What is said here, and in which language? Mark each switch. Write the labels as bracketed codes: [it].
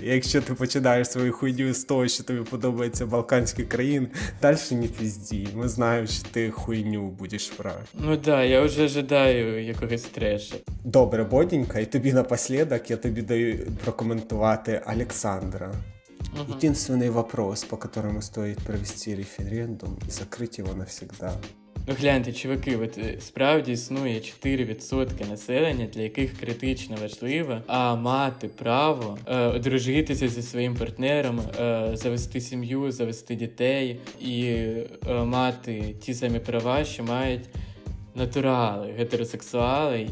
[uk] Якщо ти починаєш свою хуйню з того, що тобі подобаються балканські країни, далі не пізді. Ми знаємо, що ти хуйню будеш врати. Ну так, да, я вже ожидаю якогось треша. Добре, Бодінька, і тобі напоследок я тобі даю прокоментувати Александра. Угу. [ru] Единственный вопрос, по которому стоит провести референдум и закрыть его навсегда. [uk] Ну гляньте, чуваки, от справді існує 4% населення, для яких критично важливо мати право одружитися зі своїм партнером, завести сім'ю, завести дітей і мати ті самі права, що мають натурали, гетеросексуали.